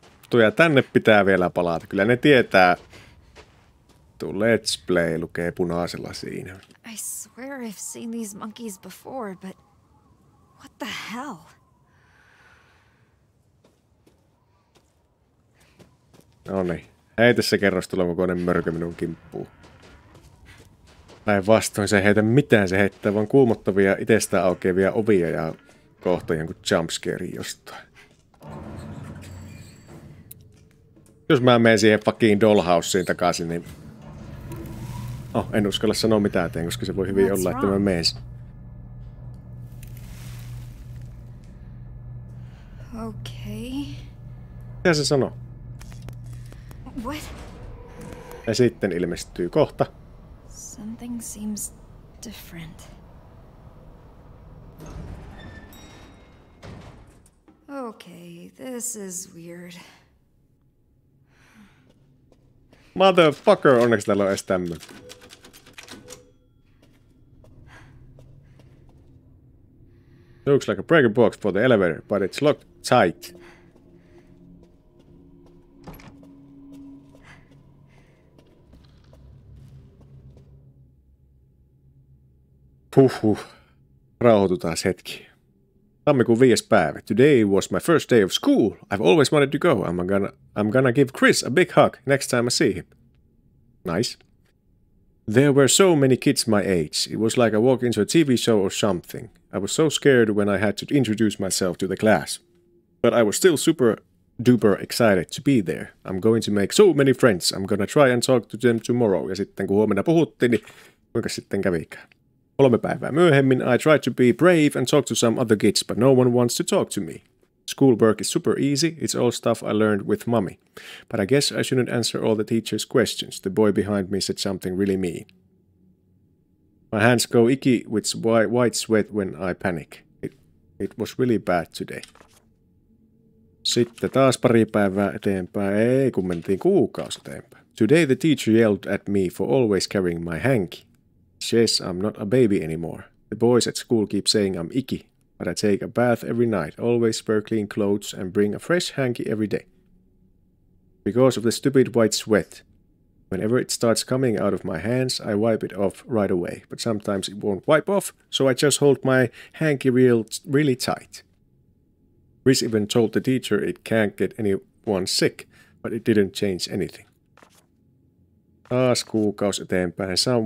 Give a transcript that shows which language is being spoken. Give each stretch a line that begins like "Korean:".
Finnish: Tuja, tänne pitää vielä palata. Kyllä ne tietää. Tuu let's play lukee punaisella siinä.
English: I swear I've seen these monkeys before, but what the hell?
Finnish: No niin, Ei tässä kerrostalo kokoinen mörkö minun kimppuun. Päinvastoin se ei heitä mitään, se heittää vaan kuumottavia itsestään aukeavia ovia ja kohta jonkun jumpscare jostain. Jos mä menen siihen fucking dollhouseen takaisin, niin... Oh, en uskalla sanoa mitään teen, koska se voi hyvin olla, että mä menen.
English: Okay.
Finnish: Mitä se sano?
English: What?
Finnish: Ja sitten ilmestyy kohta.
English: Something seems different. Okay, this is weird.
Finnish: Motherfucker, onneksi täällä on edes tämmönen.
English: Looks like a breaker box for the elevator, but it's locked tight.
Finnish: Huhhuh. Rauhoitutaan hetki. Tammikuun 5. päivä.
English: Today was my first day of school. I've always wanted to go. I'm gonna give Chris a big hug next time I see him. Nice. There were so many kids my age. It was like I walked into a TV show or something. I was so scared when I had to introduce myself to the class. But I was still super duper excited to be there. I'm going to make so many friends. I'm gonna try and talk to them tomorrow.
Finnish: Ja sitten kun huomenna puhuttiin, niin kuinka sitten kävikään? 3 päivää myöhemmin,
English: I tried to be brave and talk to some other kids, but no one wants to talk to me. Schoolwork is super easy, it's all stuff I learned with mommy. But I guess I shouldn't answer all the teacher's questions. The boy behind me said something really mean. My hands go icky with white sweat when I panic. It was really bad today.
Finnish: Sitten taas pari päivää eteenpäin, ei kun mentiin kuukausi eteenpäin.
English: Today the teacher yelled at me for always carrying my hanky. Yes, I'm not a baby anymore. The boys at school keep saying I'm icky, but I take a bath every night, always wear clean clothes and bring a fresh hanky every day. Because of the stupid white sweat, whenever it starts coming out of my hands, I wipe it off right away, but sometimes it won't wipe off, so I just hold my hanky really tight. Chris even told the teacher it can't get anyone sick, but it didn't change anything.
Finnish: Taas kuukausi eteenpäin.